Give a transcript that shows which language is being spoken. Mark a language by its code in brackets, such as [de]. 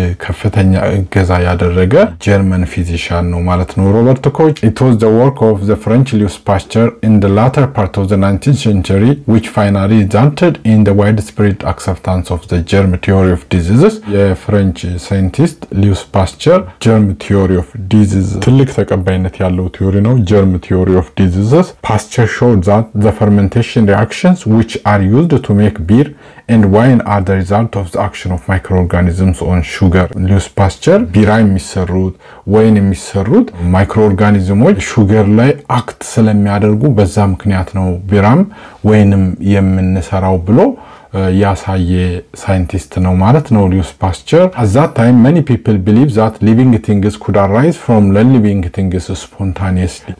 [am] ከፍተኛ እገዛ ያደረገ ጀርመን ፊዚሻን ነው ማለት ነው። [en] ሮበርት ኮች it was the work of the French Louis Pasteur in the latter part of the 19th century which finally resulted in the widespread acceptance of the germ theory of diseases. [am] የፍሬንች ሳይንቲስት ሊዩስ ፓስቸር germ theory of diseases ትልቅ ተቀባይነት ያለው ቲዮሪ ነው germ theory of diseases. [en] Pasteur showed that the fermentation reactions which are used to make beer and wine are the result of the action of microorganisms on sugar. [am] Louis Pasteur ቢራ የሚሰሩት ወይን የሚሰሩት ማይክሮኦርጋኒዝሞች ሹገር ላይ አክት ስለሚያደርጉ በዛ ምክንያት ነው ቢራም ወይንም የምንሰራው ብሎ ያሳየ ሳይንቲስት ነው ማለት ነው ሊዩስ ፓስቸር። [en] at that time many people believed that living things could arise from non-living things spontaneously.